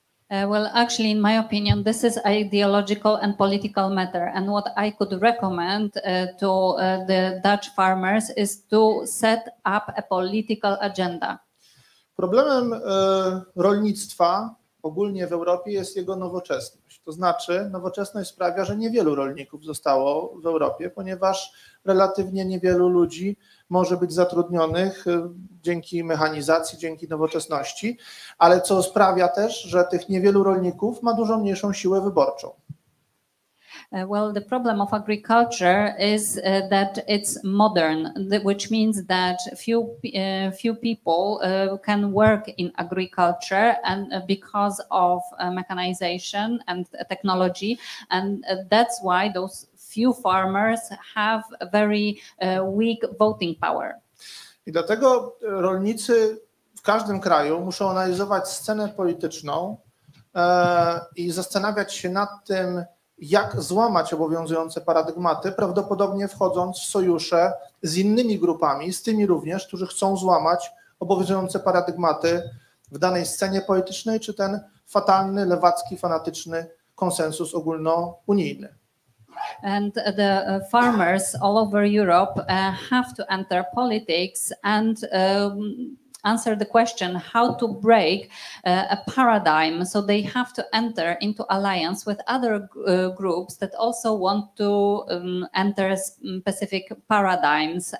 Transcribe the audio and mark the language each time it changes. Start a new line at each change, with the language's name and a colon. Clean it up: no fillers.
English: Well, actually, in my opinion, this is ideological and political matter. And what I could recommend to the Dutch farmers is to set up a political agenda.
Polish: Problemem rolnictwa ogólnie w Europie jest jego nowoczesność. To znaczy, nowoczesność sprawia, że niewielu rolników zostało w Europie, ponieważ relatywnie niewielu ludzi może być zatrudnionych dzięki mechanizacji, dzięki nowoczesności, ale co sprawia też, że tych niewielu rolników ma dużo mniejszą siłę wyborczą.
English: Well, the problem of agriculture is that it's modern, which means that few people can work in agriculture, and because of mechanization and technology, and that's why those few farmers have a very weak voting power.
Polish: I dlatego rolnicy w każdym kraju muszą analizować scenę polityczną i zastanawiać się nad tym, jak złamać obowiązujące paradygmaty, prawdopodobnie wchodząc w sojusze z innymi grupami, z tymi również, którzy chcą złamać obowiązujące paradygmaty w danej scenie politycznej, czy ten fatalny, lewacki, fanatyczny konsensus ogólnounijny.
English: And the farmers all over Europe have to enter politics and answer the question how to break a paradigm. So they have to enter into alliance with other groups that also want to enter specific paradigms.